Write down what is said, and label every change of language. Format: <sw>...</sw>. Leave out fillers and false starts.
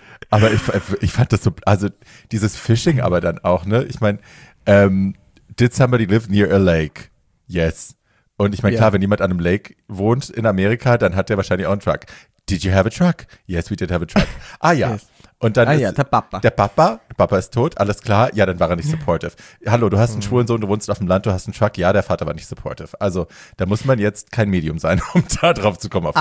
<de>Aber ich fand das so, also dieses Fishing aber dann auch, ne? Ich meine,</de> <en>did somebody live near a lake? Yes.</en> <de>Und ich meine, klar, wenn jemand an einem Lake wohnt in Amerika, dann hat der wahrscheinlich auch einen Truck.</de> <en>Did you have a truck? Yes, we did have a truck. Ah ja. Yes.</en> <de>Und dann der Papa ist tot, alles klar. Ja, dann war er nicht supportive. Hallo, du hast einen schwulen Sohn, du wohnst auf dem Land, du hast einen Truck. Ja, der Vater war nicht supportive. Also, da muss man jetzt kein Medium sein, um da drauf zu kommen auf die</de>